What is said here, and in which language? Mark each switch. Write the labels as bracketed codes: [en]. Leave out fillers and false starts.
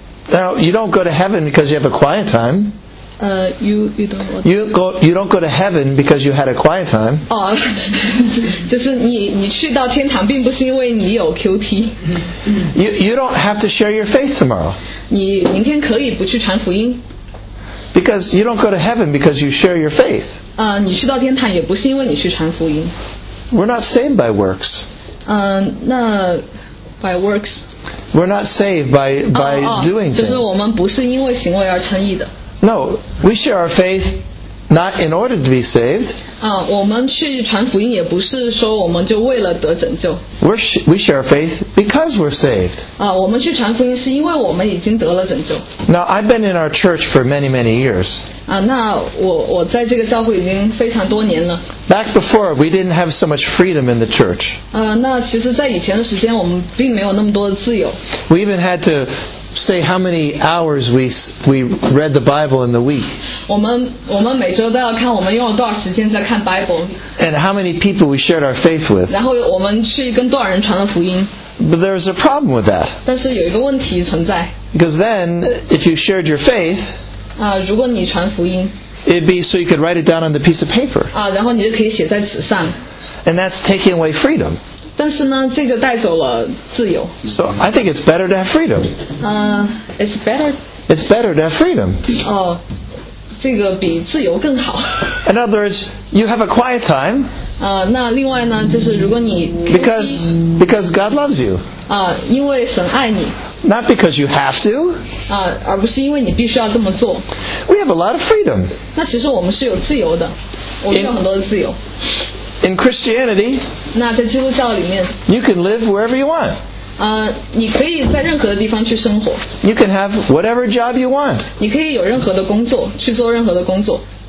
[en] Now, you don't go to heaven because you have a quiet time. You don't go to heaven because you had a quiet time. [zh] 就是你去到天堂并不是因为你有 QT. [en] You don't have to share your faith tomorrow. [zh] 你明天可以不去传福音。 [en] Because you don't go to heaven because you share your faith. [zh] 你去到天堂也不是因为你去传福音。 [en] We're not saved by works. 那 by works. We're not saved by doing things. [zh] 就是我们不是因为行为而称义的。 [en] No, we share our faith not in order to be saved. [zh] 我们去传福音也不是说我们就为了得拯救。 [en] We share our faith because we're saved. [zh] 我们去传福音是因为我们已经得了拯救。 [en] Now, I've been in our church for many, many years. [zh] 那我在这个教会已经非常多年了。 [en] Back before, we didn't have so much freedom in the church. [zh] 那其实在以前的时间我们并没有那么多的自由。 [en] We even had to... Say how many hours we read the Bible in the week. [zh] 我们每周都要看我们用了多少时间在看 Bible. [en] And how many people we shared our faith with. [zh] 然后我们去跟多少人传了福音。 [en] But there's a problem with that. [zh] 但是有一个问题存在。 [en] Because then, if you shared your faith, [zh] 如果你传福音 [en] it'd be so you could write it down on the piece of paper. [zh] 然后你就可以写在纸上。 [en] And that's taking away freedom. [zh] 但是呢，这就带走了自由。 [en] So I think it's better to have freedom. It's better to have freedom. [zh] 这个比自由更好。 [en] In other words, you have a quiet time. [zh] 那另外呢，就是如果你 [en] because God loves you. [zh] 因为神爱你。 [en] Not because you have to. [zh] 而不是因为你必须要这么做。 [en] We have a lot of freedom. [zh] 那其实我们是有自由的，我们有很多的自由。 [en] In Christianity, [zh] 那在基督教里面 [en] you can live wherever you want. [zh] 你可以在任何的地方去生活。 [en] You can have whatever job you want. [zh] 你可以有任何的工作，去做任何的工作。